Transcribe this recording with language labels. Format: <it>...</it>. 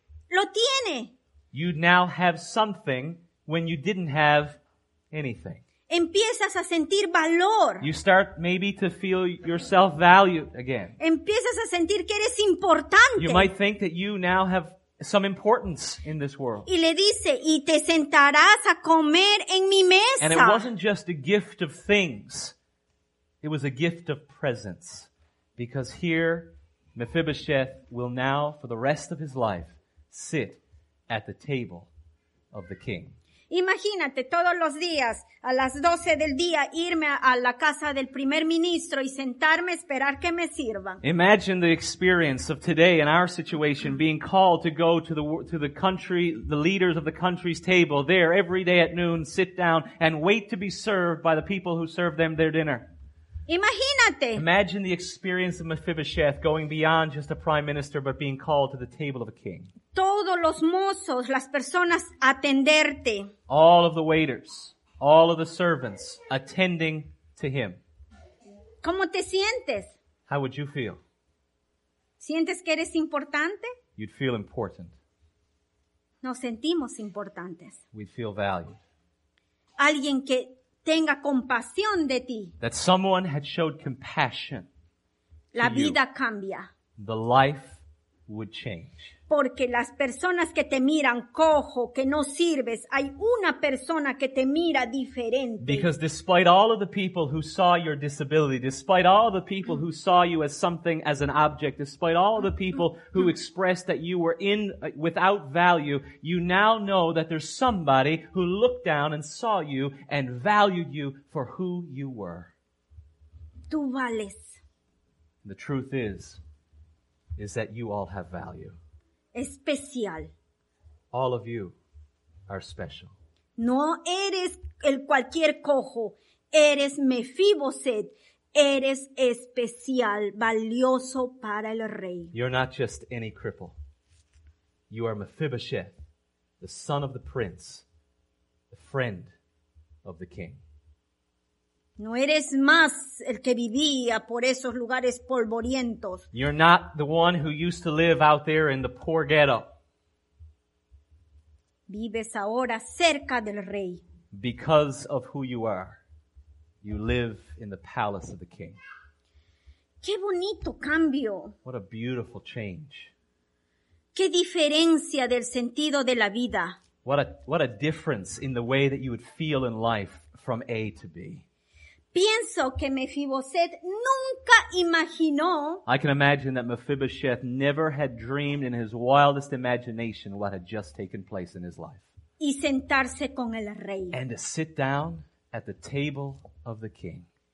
<es>Lo tiene.</es> <en>You'd now have something when you didn't have anything.</en> <es>Empiezas a sentir valor.</es> <en>You start maybe to feel yourself valued again.</en> <es>Empiezas a sentir que eres importante.</es> <en>You might think that you now have some importance in this world.</en> <es>Y le dice, y te sentarás a comer en mi mesa.</es> <en>And it wasn't just a gift of things. It was a gift of presence. Because here, Mephibosheth will now, for the rest of his life, sit at the table of the king.</en> <es>Imagínate todos los días a las 12 del día irme a la casa del primer ministro y sentarme a esperar que me sirvan.</es> <en>Imagine the experience of today in our situation being called to go to the country, the leaders of the country's table there every day at noon, sit down and wait to be served by the people who serve them their dinner.</en> <es>Imagínate.</es> <en>Imagine the experience of Mephibosheth going beyond just a prime minister but being called to the table of a king.</en> <es>Todos los mozos, las personas atenderte.</es> <en>All of the waiters, all of the servants attending to him.</en> <es>¿Cómo te sientes?</es> <en>How would you feel?</en> <es>¿Sientes que eres importante?</es> <en>You'd feel important.</en> <es>Nos sentimos importantes.</es> <en>We'd feel valued.</en> <es>Alguien que tenga compasión de ti.</es> <en>That someone had showed compassion.</en> <es>La vida</es> <en>you.</en> <es>Cambia.</es> <en>The life would change.</en> <es>Porque las personas que te miran cojo, que no sirves, hay una persona que te mira diferente.</es> <en>Because despite all of the people who saw your disability, despite all the people who saw you as something, as an object, despite all the people who expressed that you were in without value, you now know that there's somebody who looked down and saw you and valued you for who you were.</en> <es>Tú vales.</es> <en>The truth is that you all have value.</en> <es>Especial.</es> <en>All of you are special.</en> <es>No eres el cualquier cojo. Eres Mefiboset. Eres especial, valioso para el rey.</es> <en>You're not just any cripple. You are Mephibosheth, the son of the prince, the friend of the king.</en> <es>No eres más el que vivía por esos lugares polvorientos.</es> <en>You're not the one who used to live out there in the poor ghetto.</en> <es>Vives ahora cerca del rey.</es> <en>Because of who you are, you live in the palace of the king.</en> <es>Qué bonito cambio.</es> <en>What a beautiful change.</en> <es>Qué diferencia del sentido de la vida.</es> <en>What a difference in the way that you would feel in life from A to B.</en> <es>Pienso que Mefiboset nunca imaginó.</es> <en>I can imagine that Mephibosheth never had dreamed in his wildest imagination what had just taken place in his life.</en> <es>Y sentarse con el rey.</es> <en>And to sit down at the table of the king.</en>